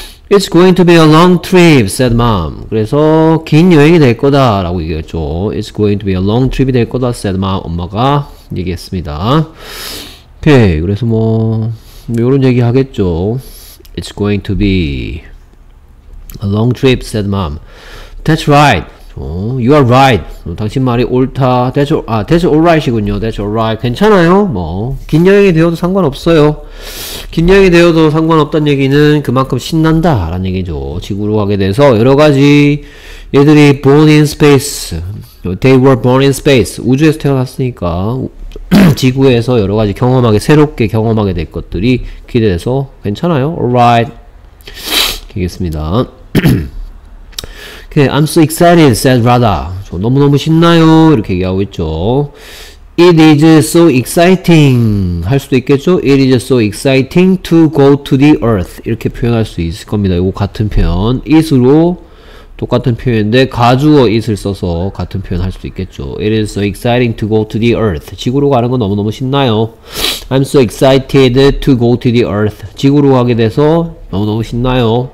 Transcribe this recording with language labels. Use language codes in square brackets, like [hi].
[en] It's going to be a long trip, said mom. [ko] 그래서 긴 여행이 될 거다 라고 얘기했죠. [en] It's going to be a long trip이 될 거다, said mom. [ko] 엄마가 얘기했습니다. 오케이, 그래서 뭐 요런 얘기 하겠죠. [en] It's going to be a long trip, said mom. That's right. You are right. [ko] 당신 말이 옳다. [en] That's alright이군요. That's alright. [ko] 괜찮아요. 뭐 긴 여행이 되어도 상관없어요. 긴 여행이 되어도 상관없다는 얘기는 그만큼 신난다라는 얘기죠. 지구로 가게 돼서 여러 가지 얘들이 [en] born in space. They were born in space. [ko] 우주에서 태어났으니까 지구에서 여러 가지 경험하게 새롭게 경험하게 될 것들이 기대돼서 괜찮아요. [en] Alright. [ko] 되겠습니다. [en] I'm so excited, said Radha. [ko] 저 너무너무 신나요. 이렇게 얘기하고 있죠. [en] It is so exciting. [ko] 할 수도 있겠죠? [en] It is so exciting to go to the earth. [ko] 이렇게 표현할 수 있을 겁니다. 이거 같은 표현. It으로 똑같은 표현인데 가주어 it을 써서 같은 표현 할 수도 있겠죠. [en] It is so exciting to go to the earth. [ko] 지구로 가는 거 너무너무 신나요. [en] I'm so excited to go to the earth. [ko] 지구로 가게 돼서 너무너무 신나요.